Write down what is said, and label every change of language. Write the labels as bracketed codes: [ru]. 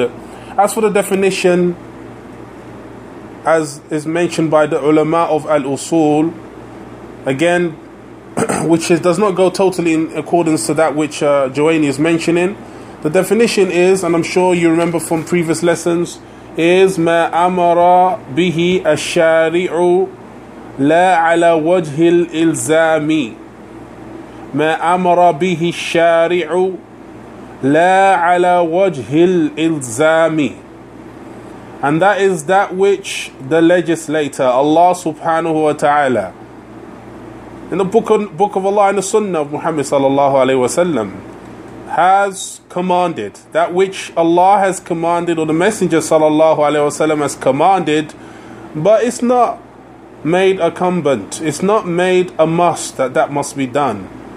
[en] As for the definition, as is mentioned by the ulama of Al-Usul, again, which is, does not go totally in accordance to that which Joanie is mentioning. The definition is, and I'm sure you remember from previous lessons, is [ar] ما أمر به الشارع لا على وجه الإلزام. ما أمر به الشارع لا على وجه الإلزام. [en] And that is that which the legislator, Allah subhanahu wa ta'ala, in the book of Allah and the Sunnah of Muhammad sallallahu alayhi wa sallam, has commanded, that which Allah has commanded, or the Messenger sallallahu alayhi wa sallam has commanded, but it's not made incumbent, it's not made a must that that must be done.